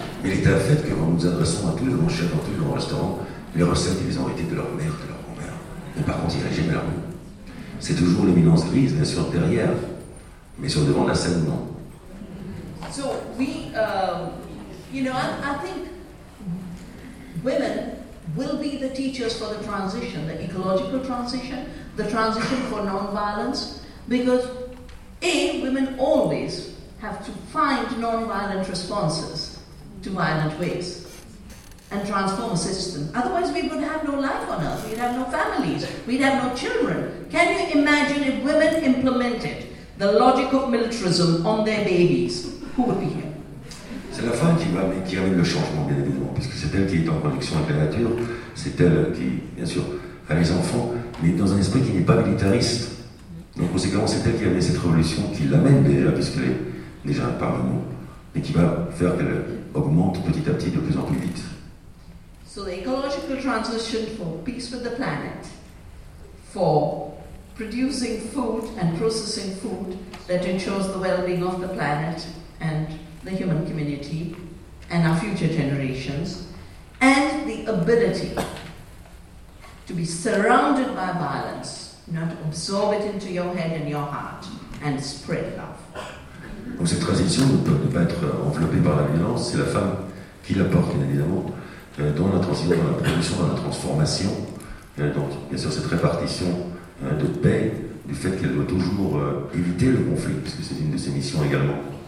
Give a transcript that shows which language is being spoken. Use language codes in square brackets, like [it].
[fr] Il est un fait que quand nous adressons à tous les grands chefs, à tous les grands restaurants, les recettes, ils ont hérité de leur mère, de leur grand-mère. Mais par contre, ils n'iraient jamais leur goût. C'est toujours l'éminence grise, bien sûr, derrière, mais sur le devant de la scène, non. [en] So, we, you know, I think women will be the teachers for the transition, the ecological transition, the transition for non-violence, because, A, women always have to find non-violent responses to violent ways and transform a system. Otherwise, we would have no life on earth. We'd have no families. We'd have no children. Can you imagine if women implemented the logic of militarism on their babies? Who would be here? [fr] C'est la femme qui amène le changement, bien évidemment, parce que c'est elle qui est en connexion avec la nature. C'est elle qui, bien sûr, a les enfants, mais dans un esprit qui n'est pas militariste. Donc, conséquemment, c'est elle qui amène cette révolution, qui l'amène déjà, puisqu'elle est déjà parmi nous, mais qui va faire qu'elle augmente petit à petit de plus en plus vite. [en] So, the ecological transition for peace with the planet, for producing food and processing food that ensures the well-being of the planet and the human community and our future generations, and the ability to be surrounded by violence. Not absorb it into your head and your heart and spread love. [fr] Donc cette transition ne peut pas être enveloppée par la violence, c'est la femme qui la porte, bien évidemment, dans la transition, dans la production, dans la transformation. Donc, bien sûr, cette répartition de paix, du fait qu'elle doit toujours éviter le conflit, puisque c'est une de ses missions également.